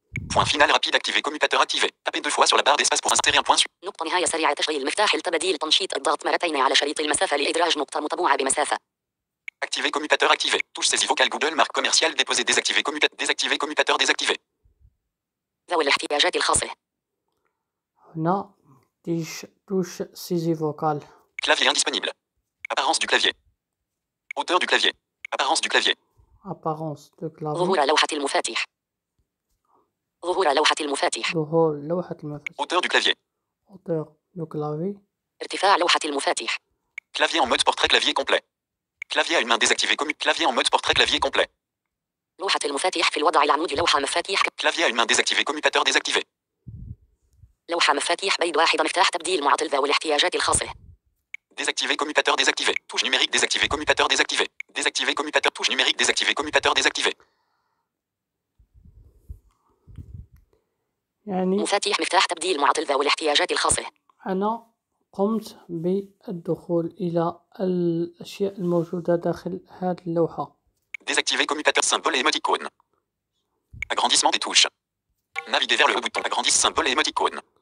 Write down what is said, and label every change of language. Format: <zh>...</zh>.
<fr>Point final rapide activer commutateur activé. Tapez deux fois sur la barre d'espace pour insérer un point sur.</fr> <ar>نقطة نهاية سريعة تشغيل المفتاح لتبديل تنشيط الضغط مرتين على شريط المسافة لإدراج نقطة مطبوعة بمسافة.</ar> <fr>Activer commutateur activé. Touche saisie vocale Google marque commerciale déposée désactiver commutateur désactivé.</fr> <ar>ذوي الاحتياجات الخاصة. هنا تيش توش سيزي فوكال.</ar> <fr>كلافي انديسبونيبل. Apparence du clavier. Hauteur du clavier. Apparence du clavier. Apparence de clavier.</fr> <ar>ظهور لوحة المفاتيح. ظهور لوحة المفاتيح. ظهور لوحة المفاتيح.</ar> <fr>Hauteur du clavier. Hauteur du clavier.</fr> <ar>ارتفاع لوحة المفاتيح.</ar> <fr>Clavier en mode portrait clavier complet. Clavier à une main désactivée commute. Clavier en mode portrait clavier complet.</fr> <ar>لوحة المفاتيح في الوضع العمودي لوحة مفاتيح.</ar> <fr>Clavier à une main désactivée commutateur désactivé.</fr> <ar>لوحة مفاتيح بيد واحد مفتاح تبديل معطل ذوي الاحتياجات الخاصة.</ar> <fr>Désactiver commutateur désactivé. Touche numérique désactivé commutateur désactivé. Désactiver commutateur touche numérique désactivé commutateur désactivé.</fr> <ar>يعني مفاتيح مفتاح تبديل معطل ذوي الاحتياجات الخاصة. أنا قمت بالدخول إلى الأشياء الموجودة داخل هذه اللوحة.</ar> <fr>Désactiver commutateur symbole et émoticône. Agrandissement des touches. Naviguer vers le bouton agrandis symbole et émoticône.</fr>